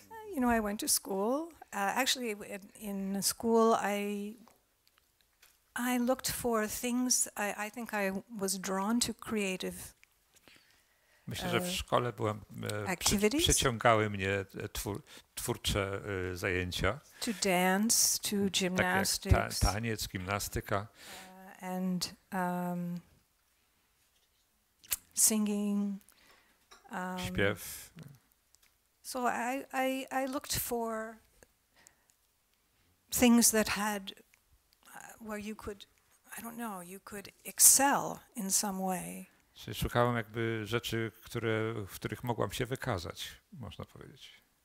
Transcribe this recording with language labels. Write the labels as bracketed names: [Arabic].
[English] You know, I went to school. Actually in school I looked for things. I think I was drawn to creative. [Polish] Myślę, że w szkole byłem przyciągały mnie twórcze zajęcia. [English] To dance, to gymnastics. [Polish] Tak jak taniec, gimnastyka. [English] And singing. [Polish] Śpiew. [English] So I looked for things that had where you could, I don't know, you could excel in some way. [Polish] Szukałem jakby rzeczy, w których mogłam się wykazać, można powiedzieć.